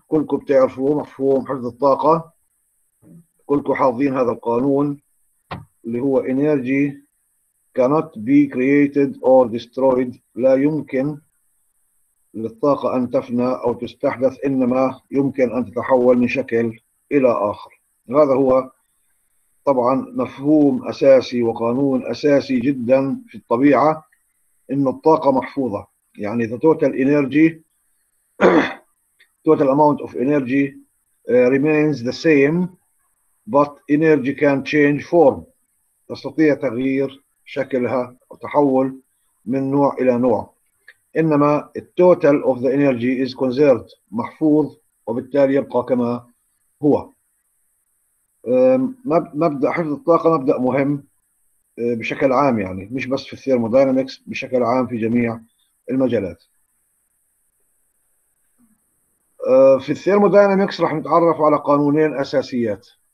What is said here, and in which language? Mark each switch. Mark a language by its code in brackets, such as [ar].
[ar] كلكم بتعرفوا مفهوم حفظ الطاقة، كلكم حافظين هذا القانون اللي هو [en] energy cannot be created or destroyed، [ar] لا يمكن للطاقة أن تفنى أو تستحدث، إنما يمكن أن تتحول من شكل إلى آخر. هذا هو طبعا مفهوم أساسي وقانون أساسي جدا في الطبيعة، إن الطاقة محفوظة. يعني [en] the total energy total amount of energy remains the same but energy can change form، [ar] تستطيع تغيير شكلها وتحول من نوع إلى نوع، إنما [en] the total of the energy is conserved، [ar] محفوظ وبالتالي يبقى كما هو. مبدأ حفظ الطاقة مبدأ مهم بشكل عام، يعني مش بس في الثيرمودينامكس، بشكل عام في جميع المجالات. في الثيرموداينامكس راح نتعرف على قانونين أساسيات.